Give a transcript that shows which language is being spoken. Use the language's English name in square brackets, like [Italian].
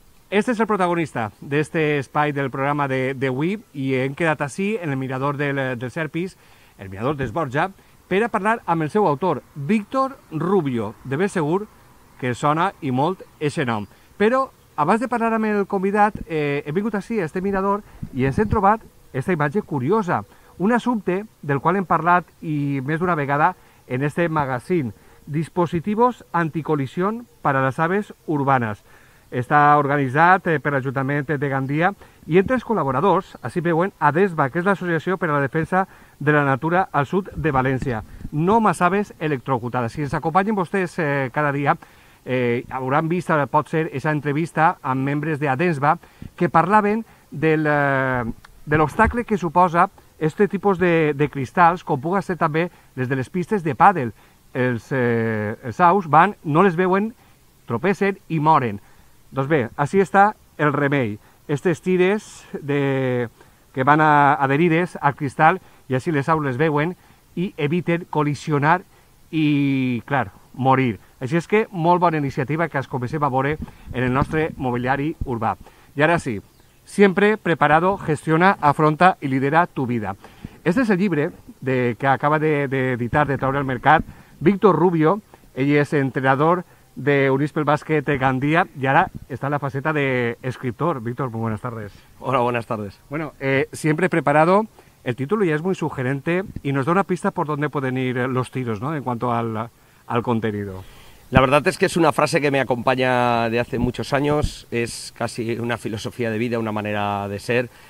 [Catalan] Este es el protagonista de este spy del programa de WIB y hem quedat així en el mirador del Serpis, el mirador d'Esborja, per a parlar amb el seu autor, Víctor Rubio. De ben segur que sona i molt eixe nom. Però abans de parlar amb el convidat, he vingut així a este mirador i ens hem trobat esta imatge curiosa. Un assumpte del qual hem parlat i més d'una vegada en este magazín. [Spanish] Dispositivos anticolisión para las aves urbanas. [Catalan] Està organitzat per l'Ajuntament de Gandia i entre els col·laboradors, així veuen, ADESBA, que és l'Associació per a la Defensa de la Natura al sud de València. [Spanish] No más aves [Catalan] electrocutades. Si ens acompanyen vostès cada dia, hauran vist, pot ser, aquesta entrevista amb membres d'ADESBA que parlaven de l'obstacle que suposa este tipus de cristals, com puguen ser també les de les pistes de pàdel. Els aus van, no les veuen, tropecen i moren. Doncs bé, així està el remei. Estes tires que van adherides al cristal i així les aus les veuen i eviten col·lisionar i, clar, morir. Així és que molt bona iniciativa que es comencem a veure en el nostre mobiliari urbà. I ara sí. [Spanish] Siempre preparado, gestiona, afronta y lidera tu vida. [Catalan] Este es el libro que acaba de editar, de traure al mercat, Víctor Rubio. Ell és entrenador de Unispel Bàsquet Gandia i ara està en la faceta d'escriptor. [Spanish] Víctor, muy buenas tardes. Hola, buenas tardes. Bueno, siempre preparado, el título ya es muy sugerente y nos da una pista por dónde pueden ir los tiros, ¿no?, en cuanto al contenido. La verdad es que es una frase que me acompaña de hace muchos años, es casi una filosofía de vida, una manera de ser.